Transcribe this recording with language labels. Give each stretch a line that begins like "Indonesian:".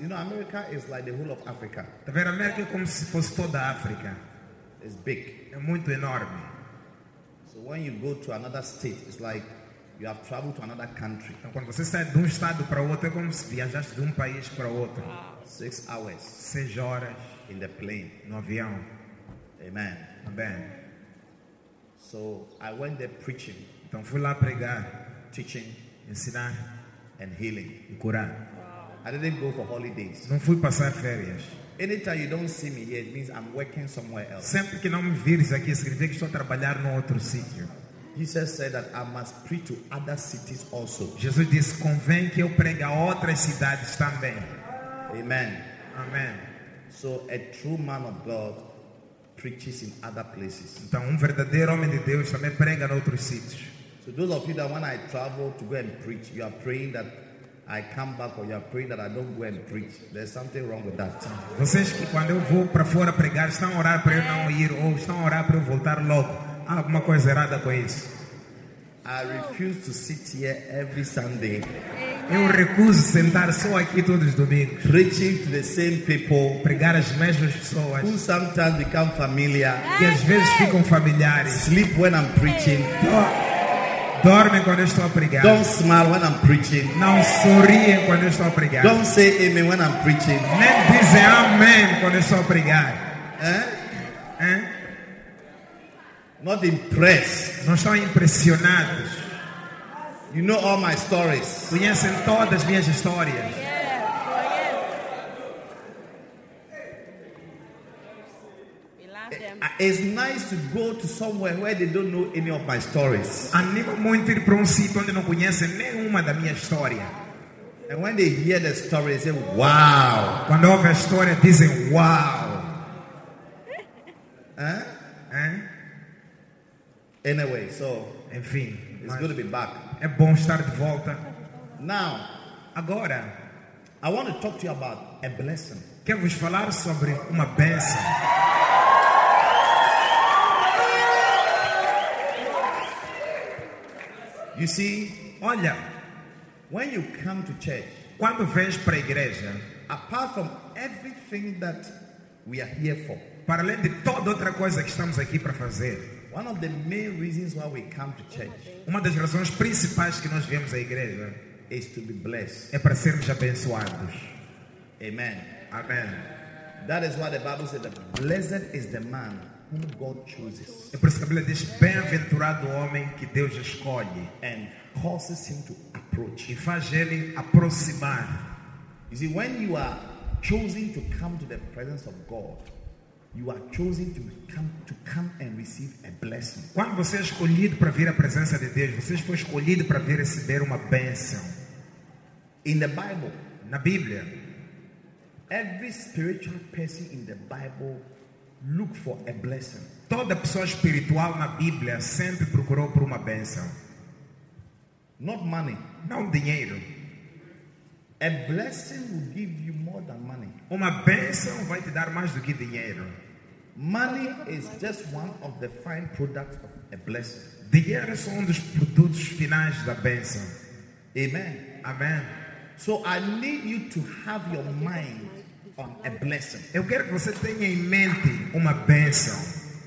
English: You know, America is like the whole of Africa.
Portuguese: Tá vendo, América é como se fosse toda a África.
English: It's big.
Portuguese: É muito enorme.
English: So when you go to another state, it's like you have traveled to another country.
Portuguese: Então, quando você sai de estado para outro, é como se viajasse de país para outro.
English: 6 hours.
Portuguese: 6 horas.
English: In the plane.
Portuguese: No avião.
English: Amen.
Portuguese: Amen.
English: So I went there preaching.
Portuguese: Então fui lá pregar.
English: Teaching.
Portuguese: Ensinar.
English: And healing.
Portuguese: E curar.
English: I didn't go for holidays.
Portuguese: Não fui passar férias.
English: Anytime you don't see me here, it means I'm working somewhere else.
Portuguese: Sempre que não me vires aqui, significa que estou a trabalhar no outro sítio.
English: Jesus said that I must preach to other cities also.
Portuguese: Jesus disse, convém que eu pregue a outras cidades também.
English: Amen.
Portuguese: Amen.
English: So a true man of God preaches in other places.
Portuguese: Então verdadeiro homem de Deus também prega em outros sítios.
English: So those of you that when I travel to go and preach, you are praying that I come back, or you are praying that I don't go and preach. There's something wrong with that.
Portuguese: Vocês que quando eu vou para fora pregar estão a orar para eu não ir ou estão a orar para eu voltar logo. Há alguma coisa errada com isso?
English: I refuse to sit here every Sunday.
Portuguese: Eu recuso sentar só aqui todos os domingos.
English: Preaching to the same people,
Portuguese: pregar as mesmas pessoas.
English: Who sometimes become familiar,
Portuguese: que às vezes ficam familiares.
English: Sleep when I'm preaching.
Portuguese: Dorme quando eu estou a pregar.
English: Don't smile when I'm preaching.
Portuguese: Não sorria quando eu estou a pregar.
English: Don't say amen when I'm preaching.
Portuguese: Nem dizer amen quando eu estou a pregar.
English: Not impressed.
Portuguese: Não estão impressionados.
English: You know all my stories.
Portuguese: Conhecem todas as minhas histórias.
English: It's nice to go to somewhere where they don't know any of my stories.
Portuguese: Anima muito ir para sítio onde não conhecem nenhuma da minha história.
English: And when they hear the story, they say, wow.
Portuguese: Quando ouvem a história, dizem, wow.
English: Anyway, so.
Portuguese: Enfim.
English: It's good to be back.
Portuguese: É bom estar de volta.
English: Now,
Portuguese: agora,
English: I want to talk to you about a blessing.
Portuguese: Quero vos falar sobre uma bênção.
English: You see,
Portuguese: olha,
English: when you come to church,
Portuguese: quando vens para a igreja,
English: apart from everything that we are here for,
Portuguese: para além de toda outra coisa que estamos aqui para fazer,
English: one of the main reasons why we come to church,
Portuguese: uma das razões principais que nós viemos à igreja,
English: is to be blessed.
Portuguese: É para sermos abençoados.
English: Amen.
Portuguese: Amen.
English: That is why the Bible says that blessed is the man whom God chooses.
Portuguese: É por isso que a Bíblia diz bem-aventurado o homem que Deus escolhe.
English: And causes him to approach.
Portuguese: E faz ele aproximar.
English: You see, when you are chosen to come to the presence of God, you are chosen to come and receive a blessing.
Portuguese: Quando você é escolhido para vir à presença de Deus, você foi escolhido para vir receber uma bênção.
English: In the Bible,
Portuguese: na Bíblia,
English: every spiritual person in the Bible looked for a blessing.
Portuguese: Toda pessoa espiritual na Bíblia sempre procurou por uma bênção.
English: Not money,
Portuguese: não dinheiro.
English: A blessing will give you more than money.
Portuguese: Uma bênção vai te dar mais do que dinheiro.
English: Money is just one of the fine products of a blessing.
Portuguese: Dinheiro é um dos produtos finais da bênção.
English: Amen.
Portuguese: Amen.
English: So I need you to have your mind on a blessing.
Portuguese: Eu quero que você tenha em mente uma bênção.